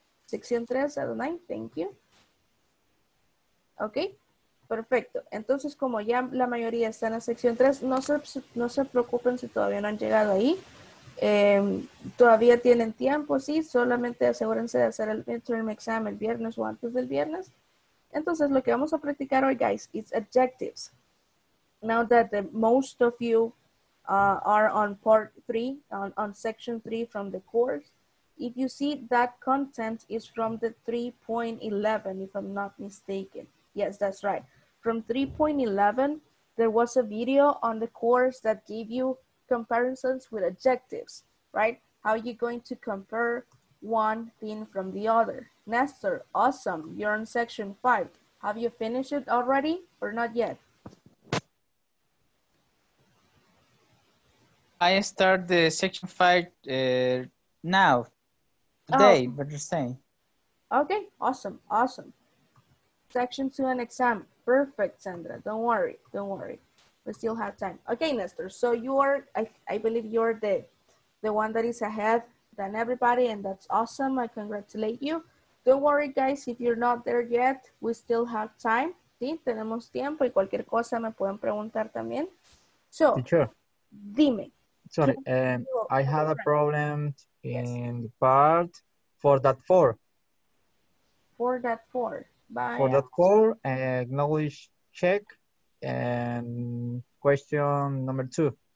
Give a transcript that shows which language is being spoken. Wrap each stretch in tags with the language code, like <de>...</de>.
<es>Sección 3, Adonai,</es> <en>thank you. Ok,</en> <es>perfecto. Entonces, como ya la mayoría está en la sección 3, no se preocupen si todavía no han llegado ahí. Todavía tienen tiempo, sí, solamente asegúrense de hacer el midterm exam el viernes o antes del viernes. Entonces, lo que vamos a practicar hoy,</es> <en>guys, is adjectives. Now that the most of you are on part 3, on section 3 from the course, if you see that content is from the 3.11, if I'm not mistaken. Yes, that's right. From 3.11, there was a video on the course that gave you comparisons with adjectives, right? How are you going to compare one thing from the other? Nestor, awesome. You're on section 5. Have you finished it already or not yet? I start the section 5 now. Today, oh. But you're saying. Okay, awesome, awesome. Section 2 and exam. Perfect, Sandra. Don't worry, don't worry. We still have time. Okay, Nestor, so you are, I believe you're the one that is ahead than everybody, and that's awesome. I congratulate you. Don't worry, guys, if you're not there yet, we still have time.</en> <es>Sí, tenemos tiempo, y cualquier cosa me pueden preguntar también.</es> <en>So, sure.</en> <es>Dime.</es> <en>Sorry, I had a problem in the part for that four. For that four. Bye. For that four, acknowledge check and question number two.</en>